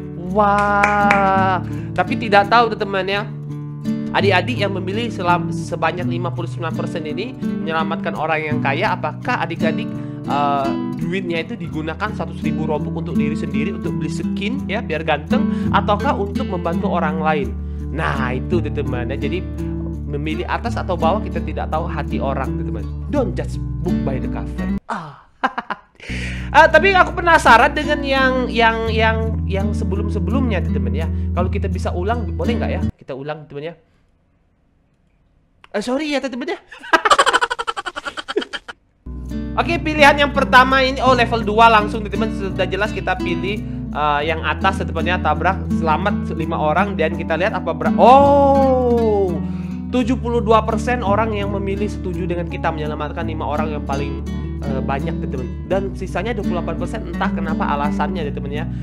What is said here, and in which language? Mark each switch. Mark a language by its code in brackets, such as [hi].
[id] Wah, tapi tidak tahu teman-teman ya, adik-adik yang memilih sebanyak 59% ini menyelamatkan orang yang kaya, apakah adik-adik duitnya itu digunakan 100.000 robux untuk diri sendiri, untuk beli skin ya biar ganteng, ataukah untuk membantu orang lain. Nah, itu teman-teman ya. Jadi memilih atas atau bawah, kita tidak tahu hati orang teman-teman. [en] Don't judge book by the cover. [id] Tapi aku penasaran dengan yang sebelum-sebelumnya teman-teman ya. Kalau kita bisa ulang boleh nggak ya? Kita ulang teman-teman ya. Sorry ya teman-teman ya. Oke, pilihan yang pertama ini, oh level 2 langsung teman-teman, sudah jelas kita pilih yang atas teman-teman ya, tabrak selamat 5 orang, dan kita lihat apa oh 72% orang yang memilih setuju dengan kita menyelamatkan 5 orang yang paling banyak teman-teman, dan sisanya 28% entah kenapa alasannya teman-teman ya.